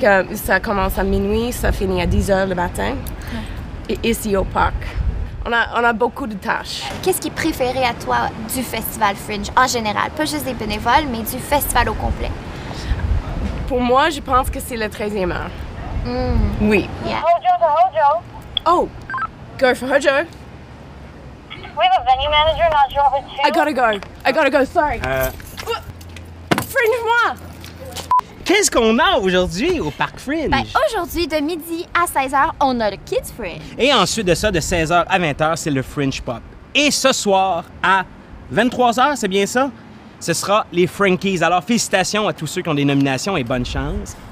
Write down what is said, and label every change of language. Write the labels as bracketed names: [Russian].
[French] Parce que ça commence à minuit, ça finit à 10 heures le matin. Ouais. Et ici, au parc. On a beaucoup de tâches. Qu'est-ce qui est préféré à toi du festival Fringe en général? Pas juste des bénévoles, mais du festival au complet. Pour moi, je pense que c'est le 13e heure. Mm. Oui. [English] Yeah. Hojo to Hojo. Oh, go for Hojo. We have a venue manager, not sure if it's you. I gotta go, sorry. Fringe-moi! [French] Qu'est-ce qu'on a aujourd'hui au Parc Fringe? Ben, aujourd'hui, de midi à 16h, on a le Kids Fringe. Et ensuite de ça, de 16h à 20h, c'est le Fringe Pop. Et ce soir, à 23h, c'est bien ça? Ce sera les Frankies. Alors, félicitations à tous ceux qui ont des nominations et bonne chance.